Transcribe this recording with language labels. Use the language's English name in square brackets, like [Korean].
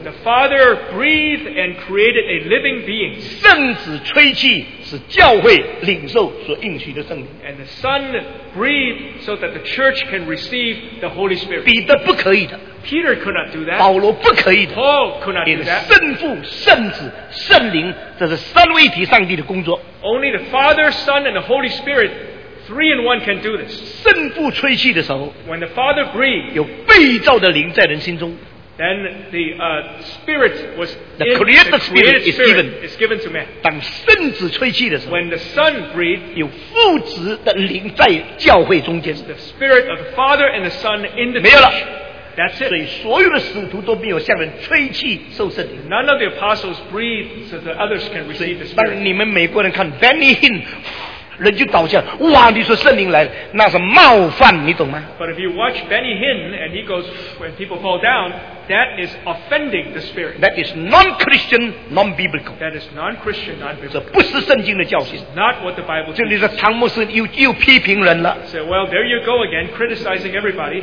[English] the Father breathed and created a living being. [Chinese] 圣子吹气是教会领受所应许的圣灵, [English] and the Son breathed so that the church can receive the Holy Spirit. [Chinese] 彼得不可以的, [English] Peter could not do that. [Chinese] 保罗不可以的, [English] Paul could not do that. [Chinese] 圣父、圣子、圣灵，这是三位一体上帝的工作。 [English] Only the Father, Son, and the Holy Spirit, three in one, can do this. [Chinese] 圣父吹气的时候, [English] when the Father breathed, [Chinese] 有被造的灵在人心中, [English] then the Spirit was the created Spirit, is given to man. [Chinese] 当圣子吹气的时候, [English] when the Son breathed, [Chinese] 有父子的灵在教会中间, [English] the Spirit of the Father and the Son in the [Chinese] 没有了, [English] church. That's it. [Chinese] 所以所有的使徒都没有向人吹气受圣灵。 [English] None of the apostles breathed so that others can receive the Spirit. [Chinese] 当你们美国人看 Benny Hinn, 人就倒下，哇！你说圣灵来了，那是冒犯，你懂吗？ [English] But if you watch Benny Hinn and he goes, when people fall down, That is offending the spirit. That is non-Christian, non-biblical. That is non-Christian, non-biblical. [Chinese] 这不是圣经的教训. [English] It's not what the Bible teaches. [Chinese] 这里的唐牧师又批评人了. [English] So, well, there you go again, criticizing everybody.